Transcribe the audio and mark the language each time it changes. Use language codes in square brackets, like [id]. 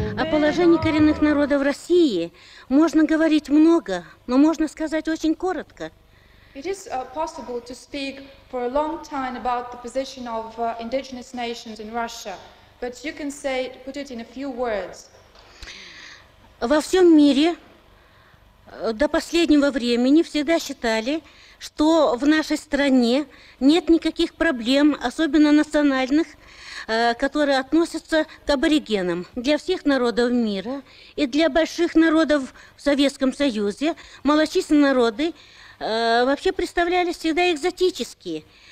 [ru] Положение коренных народов в России можно говорить много, но можно сказать очень коротко. [en] It is possible to speak for a long time about the position of indigenous nations in Russia, but you can say put it in a few words. [ru] Во всем мире до последнего времени всегда считали, что в нашей стране нет никаких проблем, особенно национальных, которые относятся к аборигенам. Для всех народов мира и для больших народов в Советском Союзе малочисленные народы вообще представлялись всегда экзотические.